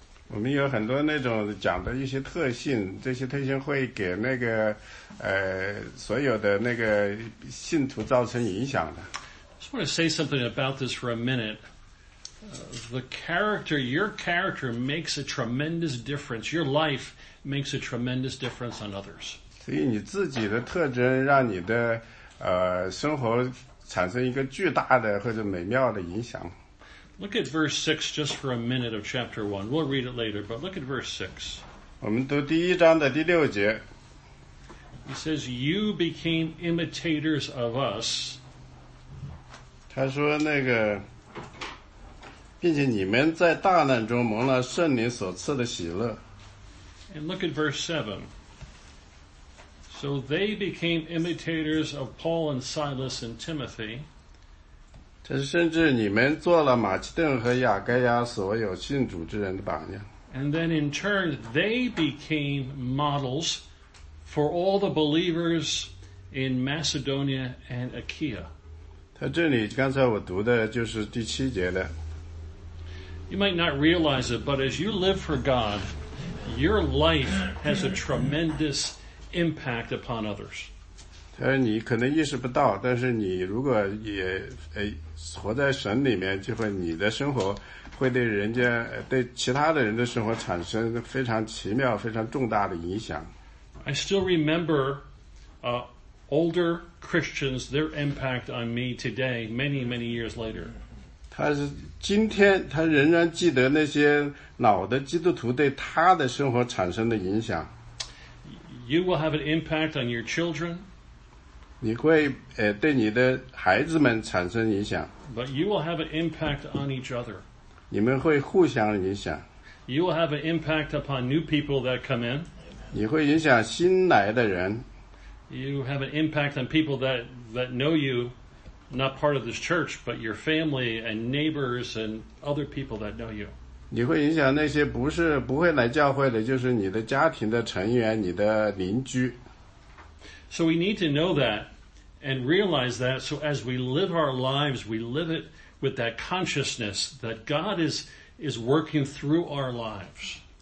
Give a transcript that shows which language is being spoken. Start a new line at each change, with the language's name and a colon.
Chinese: 我们有很多那种讲的一些特性，这些特性会给那个所有的那个信徒造成影响的。
English: I just want to say something about this for a minute. The character, your character makes a tremendous difference. Your life makes a tremendous difference on others.
Chinese: 所以你自己的特征让你的生活产生一个巨大的或者美妙的影响。
English: Look at verse 6 just for a minute of chapter 1. We'll read it later, but look at verse 6.
Chinese: 我们读第一章的第六节。
English: He says, you became imitators of us.
Chinese: 他说那个并且你们在大难中蒙了圣灵所赐的喜乐。
English: And look at verse 7. So they became imitators of Paul and Silas and Timothy.
Chinese: 这是甚至你们做了马其顿和亚该亚所有信主之人的榜样。
English: And then in turn, they became models for all the believers in Macedonia and Achaia.
Chinese: 他这里刚才我读的就是第七节的。
English: You might not realize it, but as you live for God, your life has a tremendous impact upon others.
Chinese: 他说你可能意识不到，但是你如果也活在神里面，就会你的生活会对人家对其他的人的生活产生非常奇妙非常重大的影响。
English: I still remember, older Christians, their impact on me today, many, many years later.
Chinese: 他是今天他仍然记得那些老的基督徒对他的生活产生的影响。
English: You will have an impact on your children.
Chinese: 你会对你的孩子们产生影响。
English: But you will have an impact on each other.
Chinese: 你们会互相影响。
English: You will have an impact upon new people that come in.
Chinese: 你会影响新来的人。
English: You have an impact on people that know you, not part of this church, but your family and neighbors and other people that know you.
Chinese: 你会影响那些不会来教会的，就是你的家庭的成员，你的邻居。
English: So we need to know that and realize that. So as we live our lives, we live it with that consciousness that God is working through our lives.